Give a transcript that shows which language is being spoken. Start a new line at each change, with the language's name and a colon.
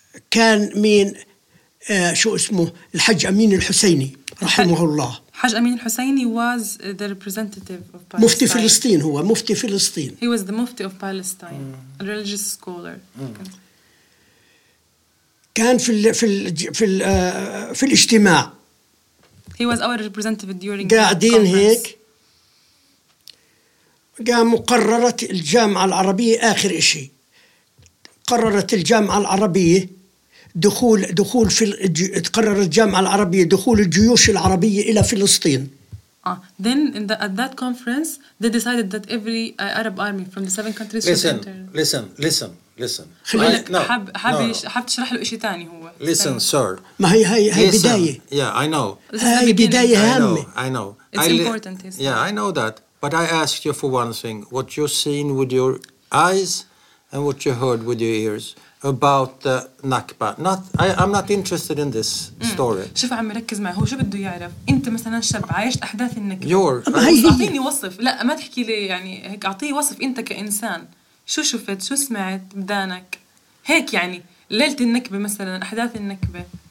Arabic: كان مين شو اسمه الحاج أمين الحسيني رحمه الله.
English: حاج أمين الحسيني was the representative of Palestine.
Arabic: مفتي فلسطين هو مفتي فلسطين.
English: He was the Mufti of Palestine, a religious scholar.
Arabic: كان في ال في ال في ال في الاجتماع.
English: He was our representative during.
Arabic: قاعدين هيك. قام قررت الجامعة العربية آخر إشي. قررت الجامعة العربية. دخول في تقرر الجامعة العربية دخول الجيوش العربية إلى فلسطين.
English: Then at that conference they decided that every Arab army from the seven countries. Listen.
Arabic: حاب تشرح له إشي تاني هو.
English: Listen, sir.
Arabic: ما هي بداية.
English: Yeah, I know.
Arabic: هاي بداية هامة.
English: I know. It's important. Yeah, I know that. But I asked you for one thing: what you seen with your eyes and what you heard with your ears. About the Nakba. I'm not interested in this story.
Arabic: شوف عم ركز معه. هو شو بده يعرف؟ أنت مثلاً شاب عايشت أحداث النكبة. أعطيني وصف. لا ما تحكي لي يعني هيك. أعطيه وصف أنت كإنسان. شو شفت؟ شو سمعت بدانك؟ هيك يعني ليلة النكبة مثلاً أحداث النكبة.